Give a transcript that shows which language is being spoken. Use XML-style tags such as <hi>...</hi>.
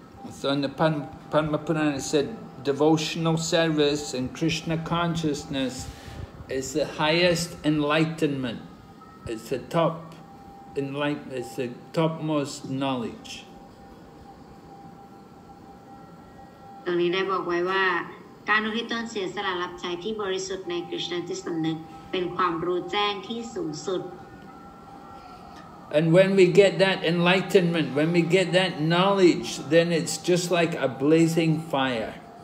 <en>So in the Padma Purana, it said devotional service and Krishna consciousness is the highest enlightenment. It's the top enlightenment. It's the topmost knowledge.</en> <th>ตรงนี้ได้บอกไว้ว่าการอุทิศตนเสียสละรับใช้ที่บริสุทธิ์ในกิจนิสัยนึกเป็นความรู้แจ้งที่สูงสุด</th> <en>And when we get that enlightenment, when we get that knowledge, then it's just like a blazing fire.</en>